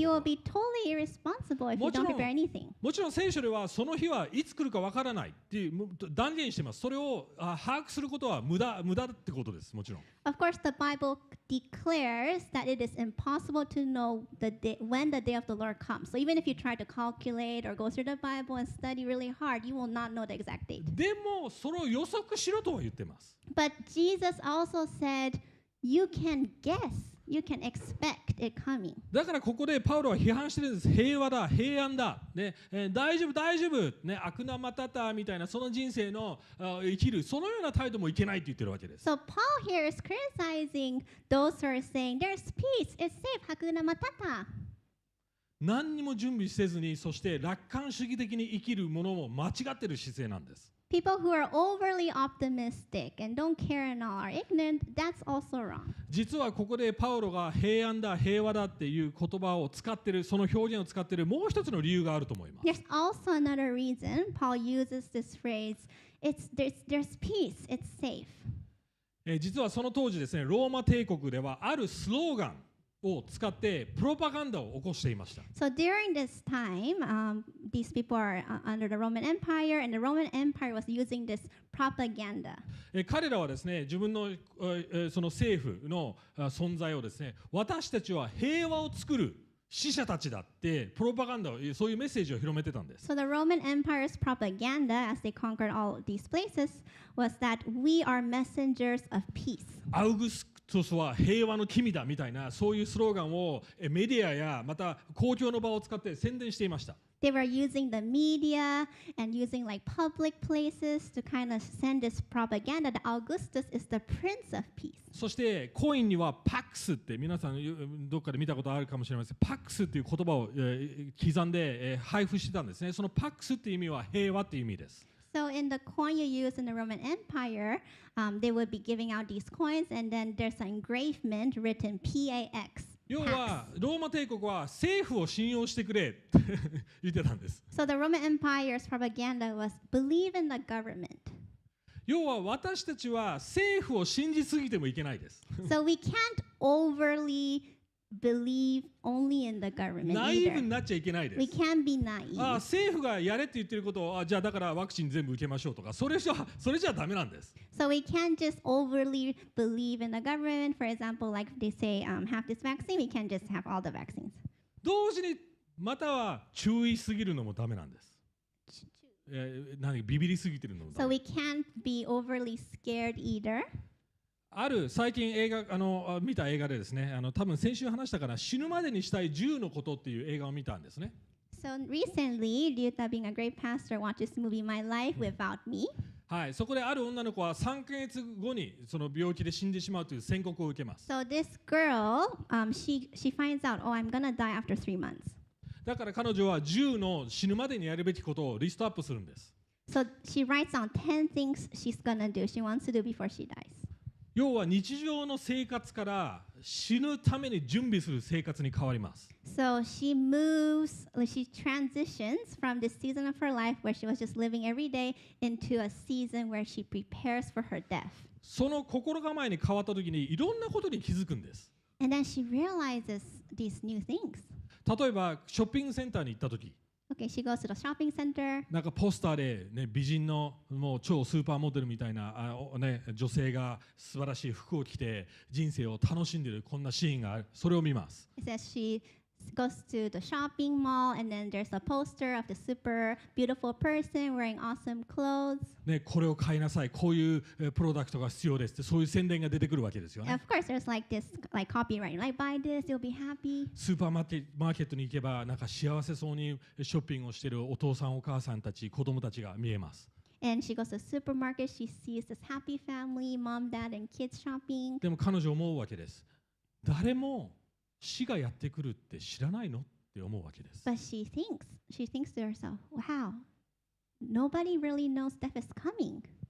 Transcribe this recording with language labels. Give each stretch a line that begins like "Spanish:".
English: You will be totally irresponsible if you don't prepare anything.
Japanese: もちろん聖書ではその日はいつ来るかわからないっていう断言してます。それを把握することは無駄ってことです。もちろん。
English: Of course, the Bible declares that it is impossible to know the day, when the day of the Lord comes. So even if you try to calculate or go through the Bible and study really hard, you will not know the exact date.
Japanese: でもそれを予測しろとは言ってます。
English: But Jesus also said, you can guess, you can expect it coming.
Japanese: だからここでパウロは批判してるんです。平和だ、平安だ、ね、大丈夫、大丈夫、ね、悪なまたたみたいな、その人生の生きる、そのような態度もいけないって言ってるわけです。
English: So Paul here is criticizing those who are saying, there's peace, it's safe,
Japanese: 悪なまたた。何にも準備せずに、そして楽観主義的に生きるものも間違ってる姿勢なんです。
English: People who are overly optimistic and don't care and are ignorant, that's also wrong.
Japanese: 実はここでパウロが平安だ、平和だっていう言葉を使ってる、その表現を使ってるもう一つの理由があると思います。
English: There's also another reason Paul uses this phrase. There's peace. It's safe.
Japanese: 実はその当時ですね、ローマ帝国ではあるスローガンを使ってプロパガンダを起こしていました。
English: So during this time, these people are under the Roman Empire, and the Roman Empire was using this propaganda.
Japanese: 彼らはですね、自分のその政府の存在をですね、私たちは平和を作る使者たちだってプロパガンダ、そういうメッセージを広めてたんです。
English: So the Roman Empire's propaganda, as they conquered all these places, was that we are messengers of peace.
Japanese: アウグスクそうそう平和の君だみたいなそういうスローガンをメディアやまた公共の場を使って宣伝していました。
English: They were using the media and using like public places to kind of send this propaganda that Augustus is the prince of peace.
Japanese: そしてコインにはパックスって皆さんどっかで見たことあるかもしれません。パックスっていう言葉を刻んで配布してたんですね。そのパックスっていう意味は平和っていう意味です。
English: So in the coin you use in the Roman Empire, they would be giving out these coins, and then there's an engravement written PAX,
Japanese: 要はローマ帝国は政府を信用してくれ言ってたんです。
English: So the Roman Empire's propaganda was believe in the government.
Japanese: 要は私たちは政府を信じすぎてもいけないです。
English: So we can't overly believe only in the government either.
Japanese: ナイーブになっちゃいけないです。
English: We can't be naive.
Japanese: ああ政府がやれって言ってることをああじゃあだからワクチン全部受けましょうとかそれじゃダメなんです。
English: So we can't just overly believe in the government. For example, like they say, have this vaccine. We can't just have all the vaccines.
Japanese: 同時にまたは注意すぎるのもダメなんです。何ビビりすぎてるのもダメ。
English: So we can't be overly scared either.
Japanese: ある最近映画見た映画でですね、多分先週話したかな、死ぬまでにしたい10のことっていう映画を見たんですね。
English: So recently, due to being a great pastor, watched this movie, My Life Without Me.
Japanese: はい、そこである女の子は3ヶ月後にその病気で死んでしまうという宣告を受けます。
English: So this girl, she finds out, oh, I'm gonna die after 3 months.
Japanese: だから彼女は10の死ぬまでにやるべきことをリストアップするんです。
English: So she writes down 10 things she's gonna do, she wants to do before she dies.
Japanese: 要は日常の生活から死ぬために準備する生活に変わります。
English: So she moves, she transitions from this season of her life where she was just living every day into a season where she prepares for her death.
Japanese: その心構えに変わった時にいろんなことに気づくんです。
English: And then she realizes these new things.
Japanese: 例えばショッピングセンターに行った時。
English: Okay, she goes to the shopping center.
Japanese: なんかポスターで、ね、美人のもう超スーパーモデルみたいな、ね、女性が素晴らしい服を着て人生を楽しんでるこんなシーンがある。それを見ます。
English: It says she goes to the shopping mall and then there's a poster of the super beautiful person wearing awesome clothes.
Japanese: ね、これを買いなさい。こういうプロダクトが必要ですって。そういう宣伝が出てくるわけですよね。
English: Of course, there's like this like copyright. Like, buy this, you'll be happy.
Japanese: スーパーマーケットに行けば、なんか幸せそうにショッピングをしているお父さん、お母さんたち、子供たちが見えます。
English: And she goes to the supermarket, she sees this happy family, mom, dad, and kids shopping.
Japanese: でも彼女思うわけです。誰も死がやってくるって知らないのって思うわけです。
English: But she thinks to herself, wow, nobody really knows death is coming.